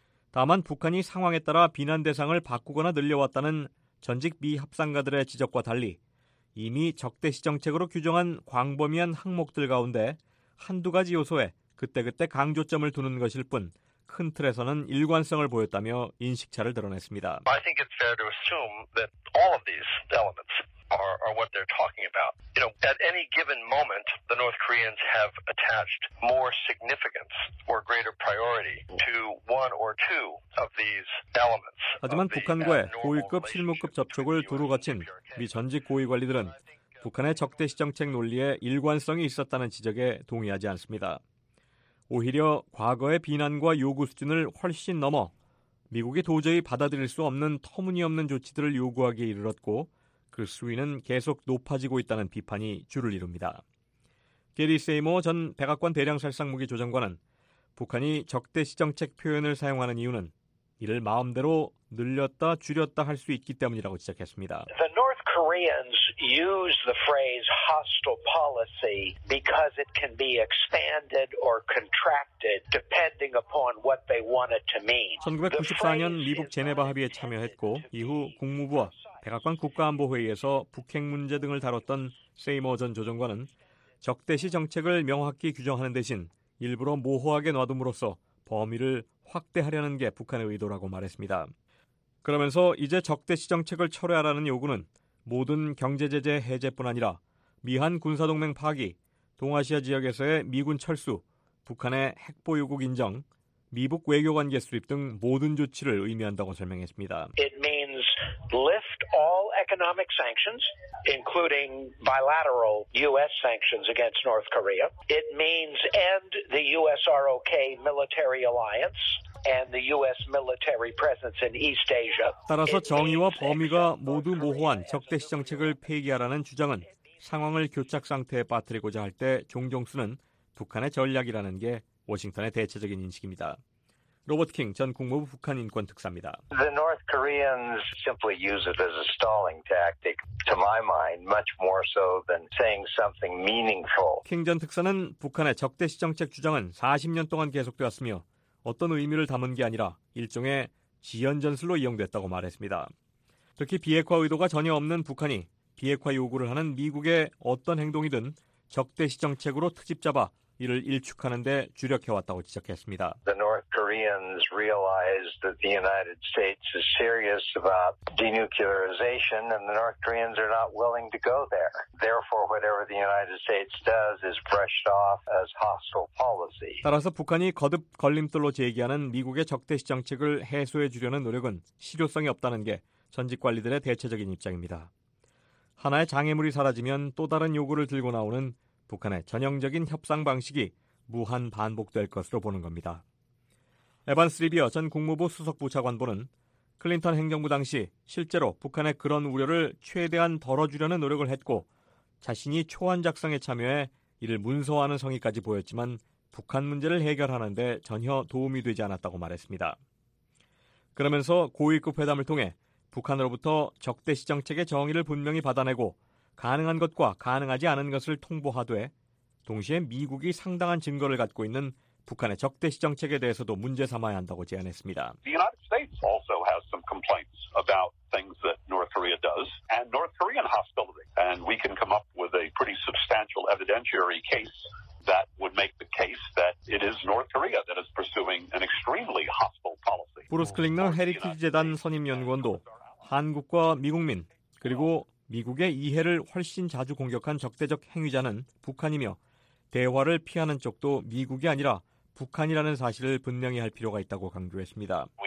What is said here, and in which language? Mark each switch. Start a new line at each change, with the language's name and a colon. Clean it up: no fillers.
Korean: 다만 북한이 상황에 따라 비난 대상을 바꾸거나 늘려왔다는 전직 미 협상가들의 지적과 달리 이미 적대시 정책으로 규정한 광범위한 항목들 가운데 한두 가지 요소에 그때그때 강조점을 두는 것일 뿐 큰 틀에서는 일관성을 보였다며 인식차를 드러냈습니다.
English: I think it's fair to assume that all of these elements are what they're talking about. You know, at any given moment, the North Koreans have attached more significance or greater priority to one or two of these elements.
Korean: 하지만 북한과의 고위급 실무급 접촉을 두루 거친 미 전직 고위 관리들은 북한의 적대시 정책 논리에 일관성이 있었다는 지적에 동의하지 않습니다. 오히려 과거의 비난과 요구 수준을 훨씬 넘어 미국이 도저히 받아들일 수 없는 터무니없는 조치들을 요구하기에 이르렀고 그 수위는 계속 높아지고 있다는 비판이 줄을 이룹니다. 게리 세이머 전 백악관 대량살상무기 조정관은 북한이 적대시 정책 표현을 사용하는 이유는 이를 마음대로 늘렸다 줄였다 할 수 있기 때문이라고 지적했습니다.
English: The North Koreans use the phrase hostile policy because it can be expanded or contracted depending upon what they want it to mean.
Korean: 1994년 미국 제네바 합의에 참여했고 이후 국무부와 백악관 국가안보회의에서 북핵 문제 등을 다뤘던 세이머 전 조정관은 적대시 정책을 명확히 규정하는 대신 일부러 모호하게 놔둠으로써 범위를 확대하려는 게 북한의 의도라고 말했습니다. 그러면서 이제 적대시 정책을 철회하라는 요구는 모든 경제제재 해제뿐 아니라 미한 군사동맹 파기, 동아시아 지역에서의 미군 철수, 북한의 핵보유국 인정, 미북 외교관계 수립 등 모든 조치를 의미한다고 설명했습니다.
English: It means lift all economic sanctions, including bilateral U.S. sanctions against North Korea. It means end the USROK military alliance and the U.S. military presence in East Asia.
Korean: 따라서 정의와 범위가 모두 모호한 적대시 정책을 폐기하라는 주장은 상황을 교착 상태에 빠뜨리고자 할 때 종종 쓰는 북한의 전략이라는 게 워싱턴의 대체적인 인식입니다. 로버트 킹 전 국무부 북한 인권 특사입니다.
English: The North Koreans simply use it as a stalling tactic, to my mind, much more so than saying something meaningful.
Korean: 킹 전 특사는 북한의 적대시 정책 주장은 40년 동안 계속되었으며 어떤 의미를 담은 게 아니라 일종의 지연 전술로 이용됐다고 말했습니다. 특히 비핵화 의도가 전혀 없는 북한이 비핵화 요구를 하는 미국의 어떤 행동이든 적대시 정책으로 트집 잡아 이를 일축하는 데 주력해왔다고 지적했습니다.
English: The North Koreans realized that the United States is serious about denuclearization and the North Koreans are not willing to go there. Therefore, whatever the United States does is brushed off as hostile policy.
Korean: 따라서 북한이 거듭 걸림돌로 제기하는 미국의 적대시 정책을 해소해 주려는 노력은 실효성이 없다는 게 전직 관리들의 대체적인 입장입니다. 하나의 장애물이 사라지면 또 다른 요구를 들고 나오는 북한의 전형적인 협상 방식이 무한 반복될 것으로 보는 겁니다. 에반스 리비어 전 국무부 수석부 차관보는 클린턴 행정부 당시 실제로 북한의 그런 우려를 최대한 덜어주려는 노력을 했고 자신이 초안 작성에 참여해 이를 문서화하는 성의까지 보였지만 북한 문제를 해결하는 데 전혀 도움이 되지 않았다고 말했습니다. 그러면서 고위급 회담을 통해 북한으로부터 적대시 정책의 정의를 분명히 받아내고 가능한 것과 가능하지 않은 것을 통보하되 동시에 미국이 상당한 증거를 갖고 있는 북한의 적대시 정책에 대해서도 문제 삼아야 한다고 제안했습니다.
English: The United States also has some complaints about things that North Korea does and North Korean hostility. And we can come up with a pretty substantial evidentiary case that would make the case that it is North Korea that is pursuing an extremely hostile policy.
Korean: 브루스 클링너 헤리티지 재단 선임연구원도 한국과 미국민 그리고 미국의 이해를 훨씬 자주 공격한 적대적 행위자는 북한이며 대화를 피하는 쪽도 미국이 아니라 북한이라는 사실을 분명히 할 필요가 있다고 강조했습니다.